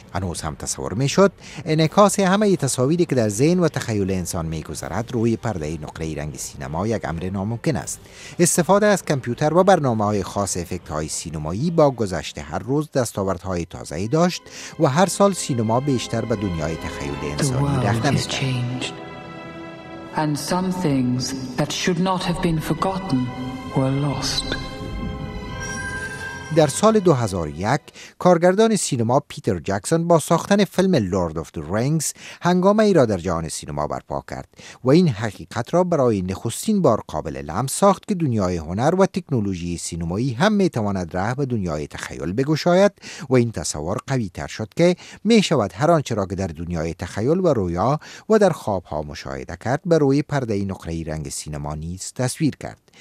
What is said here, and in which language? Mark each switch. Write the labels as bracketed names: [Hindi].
[Persian] هنوز هم تصور می‌شد انعکاس همه تصاویری که در ذهن و تخیل انسان می‌گذرد روی پرده نقره رنگ سینما یک امر ناممکن است. استفاده از کامپیوتر و برنامه‌های خاص افکت‌های سینمایی با گذشت هر روز دستاوردهای تازه‌ای داشت و هر سال سینما بیشتر به دنیای تخیل انسان رخنه می‌کرد. [English] And some things that should not have been forgotten were lost. [Persian] در سال 2001 کارگردان سینما پیتر جکسون با ساختن فیلم لورد آف دی رینگز هنگامه ای را در جهان سینما برپا کرد و این حقیقت را برای نخستین بار قابل لمس ساخت که دنیای هنر و تکنولوژی سینمایی هم می تواند راه به دنیای تخیل بگشاید و این تصور قوی تر شد که می شود هر آنچه را که در دنیای تخیل و رویا و در خواب ها مشاهده کرد به روی پرده نقره ای رنگ سینما نیز تصویر کرد.